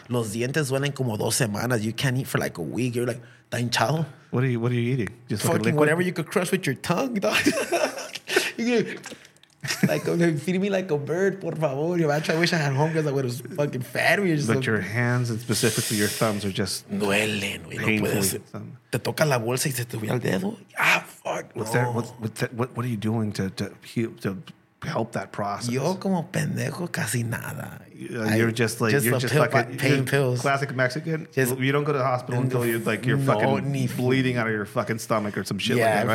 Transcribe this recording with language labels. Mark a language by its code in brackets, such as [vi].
[es] Los dientes duelen como 2 semanas. [en] You can't eat for like a week. You're like, [es] está hinchado. [en] What are you eating? Just fucking like whatever you could crush with your tongue, dog. feed me like a bird, [es] por favor. [en] I wish I had home because I would have fucking fed me. But your hands and specifically your thumbs are just [es] duelen, [en] painfully. [es] Te toca la bolsa y se te ve el dedo. [en] Ah, fuck. What are you doing to help that process? [es] Yo como pendejo casi nada. [en] You're just stuck in pain pills. Classic Mexican. You don't go to the hospital until you're fucking bleeding out of your fucking stomach or some shit like that, right?